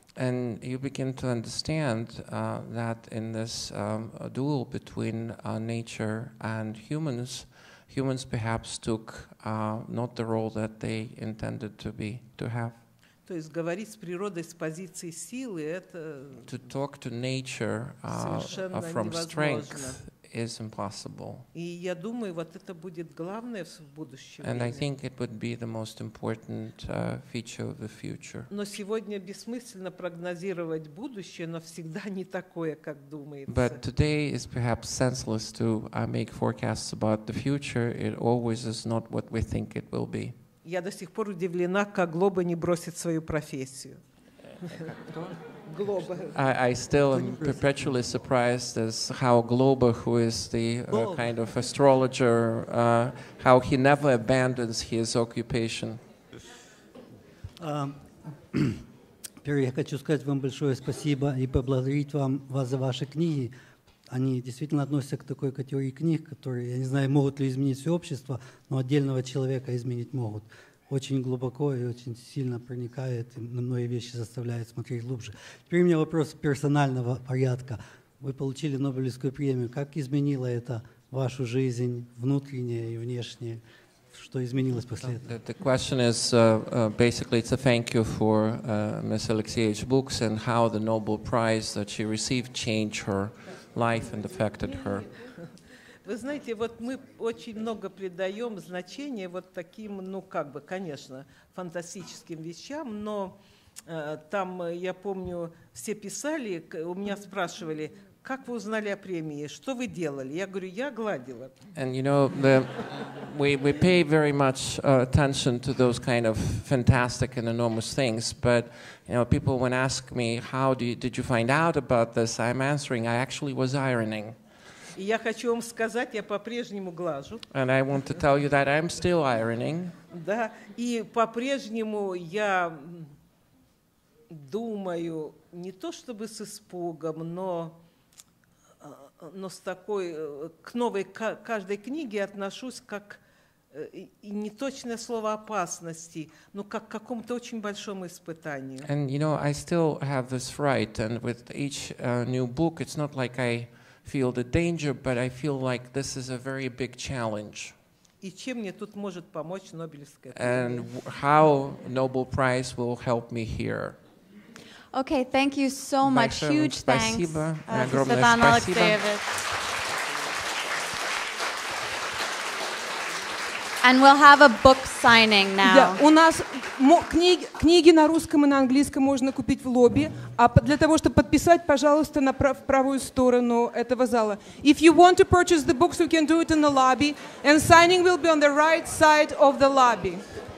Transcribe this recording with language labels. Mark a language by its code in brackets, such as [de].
[en] And you begin to understand that in this duel between nature and humans, humans perhaps took not the role that they intended to be to have. [ru] То есть говорить с природой с позиции силы это [en] to talk to nature from strength is impossible. [ru] И я думаю, вот это будет главное в будущем. [en] And I think it would be the most important feature of the future. [ru] Но сегодня бессмысленно прогнозировать будущее, но всегда не такое, как думается. [en] But today is perhaps senseless to make forecasts about the future. It always is not what we think it will be. [ru] Я до сих пор удивлена, как Глоба не бросит свою профессию. [en] I still am perpetually surprised as how Globa, who is the kind of astrologer, how he never abandons his occupation. [ru] Я хочу сказать вам большое спасибо и поблагодарить вам за ваши книги. Они действительно относятся к такой категории книг, которые, я не знаю, могут ли изменить все общество, но отдельного человека изменить могут. Очень глубоко и очень сильно проникает, и на многие вещи заставляет смотреть глубже. Теперь у меня вопрос персонального порядка. Вы получили Нобелевскую премию. Как изменило это вашу жизнь, внутреннее и внешнее? Что изменилось после этого? [en] The question is, basically, it's a thank you for Ms. Alexievich's books and how the Nobel Prize that she received changed her life and affected her. [ru] Вы знаете, вот мы очень много придаем значения вот таким, ну как бы, конечно, фантастическим вещам, но там, я помню, все писали, у меня спрашивали, как вы узнали о премии, что вы делали? Я говорю, я гладила. [en] And you know, we pay very much attention to those kind of fantastic and enormous things, but you know, people when ask me, how did you find out about this, I'm answering, I actually was ironing. [ru] И я хочу вам сказать, я по-прежнему глажу. [en] And I want to tell you that I'm still ironing. [ru] Да, и по-прежнему я думаю не то чтобы с испугом, но с такой к новой каждой книге отношусь как и не точное слово опасности, но как к какому-то очень большому испытанию. [en] And you know, I still have this fright, and with each new book, it's not like I feel the danger, but I feel like this is a very big challenge. [ru] И чем мне тут может помочь Нобелевская премия? [en] And how Nobel Prize will help me here? Okay, thank you so much. Huge thanks. [ru] Огромное спасибо. Alexievich. [en] And we'll have a book signing now. [ru] У нас книги на русском и на английском можно купить в лобби, а для того, чтобы подписать, пожалуйста, на правую сторону этого зала. [en] If you want to purchase the books, you can do it in the lobby, and signing will be on the right side of the lobby.